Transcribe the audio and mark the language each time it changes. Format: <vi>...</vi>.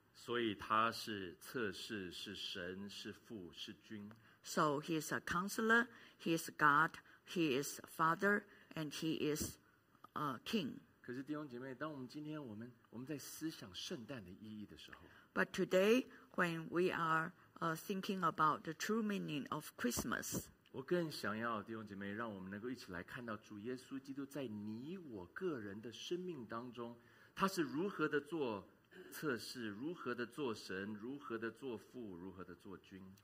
<zh>所以他是策士，是神，是父，是君。</zh> <en>So he is a counselor. He is God. He is Father, and he is a king.</en> <zh>可是弟兄姐妹，当我们今天我们在思想圣诞的意义的时候</zh> <en>，But today when we are thinking about the true meaning of Christmas.</en> <zh>我更想要弟兄姐妹，让我们能够一起来看到主耶稣基督在你我个人的生命当中，他是如何的做测试，如何的做神，如何的做父，如何的做君。</zh>